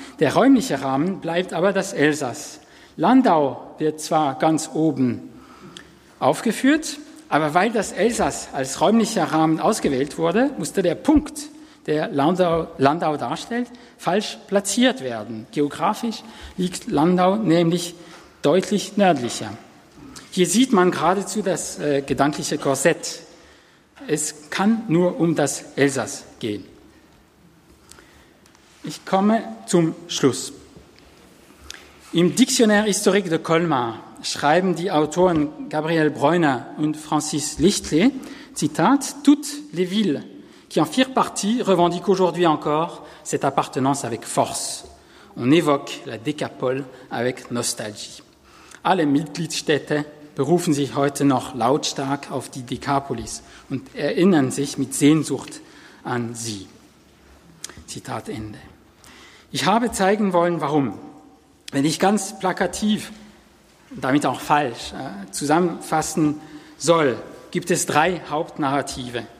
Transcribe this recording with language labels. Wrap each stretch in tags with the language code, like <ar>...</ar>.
<de>Der räumliche Rahmen bleibt aber das Elsass. Landau wird zwar ganz oben aufgeführt, aber weil das Elsass als räumlicher Rahmen ausgewählt wurde, musste der Punkt, der Landau darstellt, falsch platziert werden. Geografisch liegt Landau nämlich deutlich nördlicher. Hier sieht man geradezu das gedankliche Korsett. Es kann nur um das Elsass gehen. Ich komme zum Schluss. Im Dictionnaire historique de Colmar schreiben die Autoren Gabriel Breuner und Francis Lichtle, Zitat,</de> <fr>toutes les villes qui en firent partie revendiquent aujourd'hui encore cette appartenance avec force. On évoque la Décapole avec nostalgie.</fr> <de>Alle Mitgliedstädte berufen sich heute noch lautstark auf die Decapolis und erinnern sich mit Sehnsucht an sie. Zitat Ende. Ich habe zeigen wollen, warum. Wenn ich ganz plakativ, damit auch falsch, zusammenfassen soll, gibt es drei Hauptnarrative.</de>